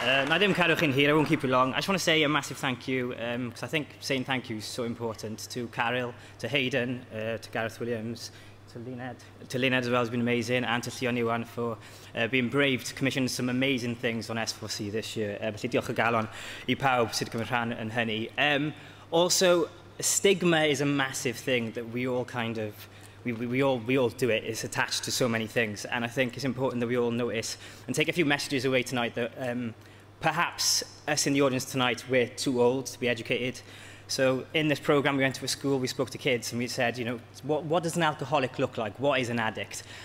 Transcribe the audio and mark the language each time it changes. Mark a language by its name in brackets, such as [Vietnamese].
[English] I didn't care in here, I won't keep you long. I just want to say a massive thank you, because I think saying thank you is so important, to Carol, to Hayden, to Gareth Williams, to Lynette as well, has been amazing, and to Llion Iwan for being brave to commission some amazing things on S4C this year. [Welsh] Felly diolch o galon I pawb sydd gymryd rhan yn hynny. [English] Also, stigma is a massive thing that we all kind of, we all do it, it's attached to so many things, and I think it's important that we all notice and take a few messages away tonight that perhaps us in the audience tonight, we're too old to be educated. So in this program, we went to a school, we spoke to kids and we said, you know, what does an alcoholic look like? What is an addict?